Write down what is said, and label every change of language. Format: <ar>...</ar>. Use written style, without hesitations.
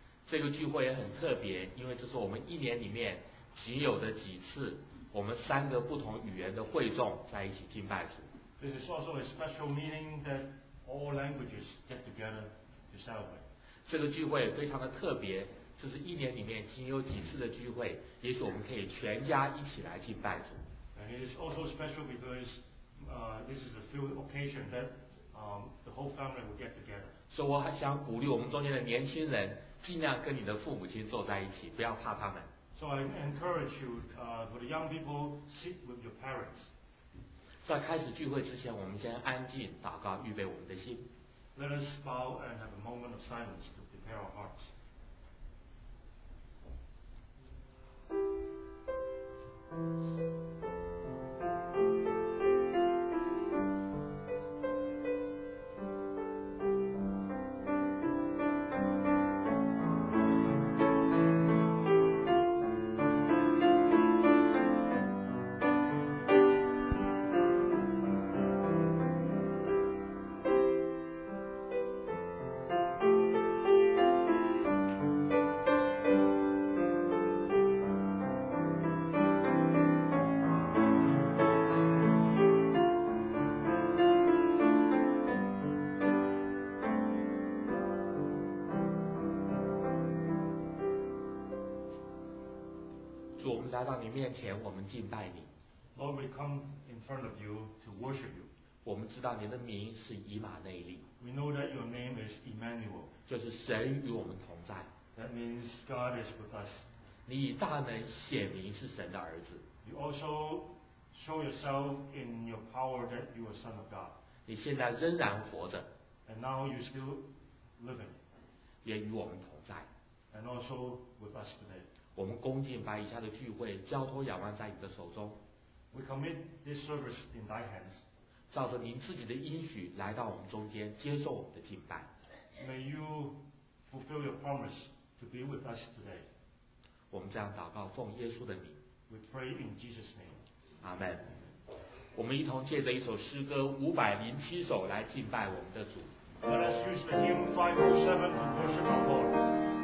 <zh>这个聚会也很特别，因为这是我们一年里面仅有的几次，我们三个不同语言的会众在一起敬拜主。</zh> <en>This is also a special meeting that all languages get together to celebrate.</en> <zh>这个聚会非常的特别，这是一年里面仅有几次的聚会，也许我们可以全家一起来敬拜主。</zh> <en>And it is also special because this is a few occasion that the whole family will get together.</en> <zh>所以我还想鼓励我们中间的年轻人，尽量跟你的父母亲坐在一起，不要怕他们。</zh> <en>So I encourage you for the young people sit with your parents.</en> <zh>在开始聚会之前，我们先安静祷告，预备我们的心。</zh> <en>Let us bow and have a moment of silence to prepare our hearts. Lord, we come in front of you to worship you.</en> <zh>我们知道您的名是以马内利。</zh> <en>We know that your name is Emmanuel.</en> <zh>就是神与我们同在。</zh> <en>That means God is with us.</en> <zh>你以大能显明是神的儿子。</zh> <en>You also show yourself in your power that you are Son of God.</en> <zh>你现在仍然活着。</zh> <en>And now you still living.</en> <zh>也与我们同在。</zh> <en>And also with us today.</en> <zh>我们恭敬把以下的聚会交托仰望在你的手中。</zh> <en>We commit this service in thy hands.</en> <zh>照着您自己的应许来到我们中间，接受我们的敬拜。</zh> <en>May you fulfill your promise to be with us today.</en> <zh>我们这样祷告，奉耶稣的名。</zh> <en>We pray in Jesus' name.</en> <zh>阿门。我们一同借着一首诗歌507首来敬拜我们的主。</zh> <en>Let us use the hymn 507 to worship our Lord.</en>